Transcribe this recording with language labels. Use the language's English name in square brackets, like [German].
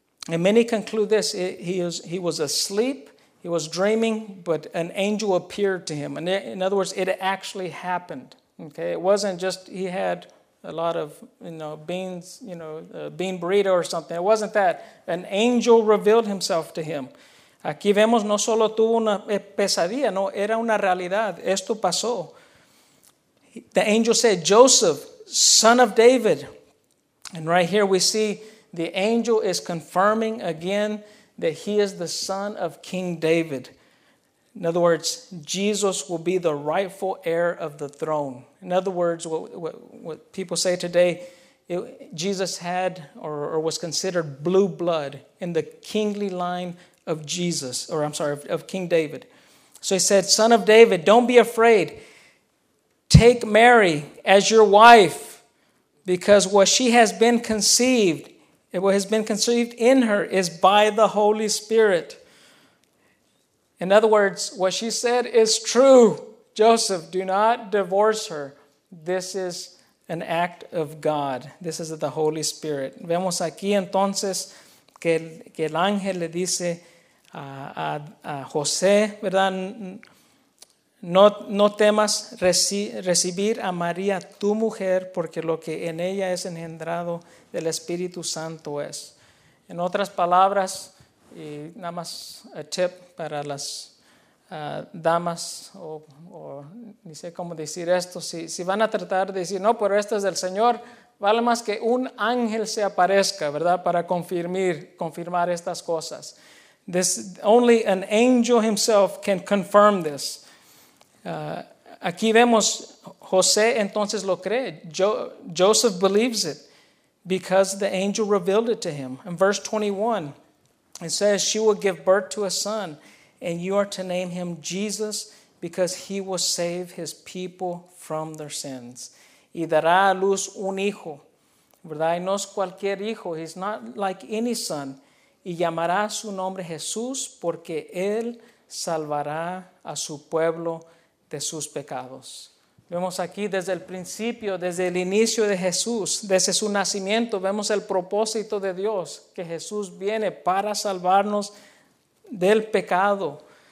[English] And many conclude this, he was asleep, he was dreaming, but an angel appeared to him. And in other words, it actually happened. Okay, it wasn't just he had a lot of, you know, beans, you know, bean burrito or something. It wasn't that. An angel revealed himself to him. [Spanish] Aquí vemos, no solo tuvo una pesadilla, no, era una realidad. Esto pasó. [English] The angel said, Joseph, son of David. And right here we see the angel is confirming again that he is the son of King David. In other words, Jesus will be the rightful heir of the throne. In other words, what people say today, Jesus had or was considered blue blood in the kingly line of Jesus, or I'm sorry, of King David. So he said, son of David, don't be afraid. Take Mary as your wife, because what she has been conceived What has been conceived in her is by the Holy Spirit. In other words, what she said is true. Joseph, do not divorce her. This is an act of God. This is of the Holy Spirit. [Spanish] Vemos aquí entonces que el ángel le dice a José, ¿verdad? No temas recibir a María, tu mujer, porque lo que en ella es engendrado del Espíritu Santo es. En otras palabras, y nada más a tip para las damas, o ni sé cómo decir esto, si van a tratar de decir, no, pero esto es del Señor, vale más que un ángel se aparezca, ¿verdad?, para confirmar estas cosas. [English] This, only an angel himself can confirm this. [Spanish] Aquí vemos, José entonces lo cree. [English] Joseph believes it because the angel revealed it to him. In verse 21, it says, she will give birth to a son, and you are to name him Jesus because he will save his people from their sins. [Spanish] Y dará a luz un hijo, ¿verdad? Y no es cualquier hijo. [English] He's not like any son. [Spanish] Y llamará su nombre Jesús porque él salvará a su pueblo de sus pecados. Vemos aquí desde el principio, desde el inicio de Jesús, desde su nacimiento, vemos el propósito de Dios, que Jesús viene para salvarnos del pecado.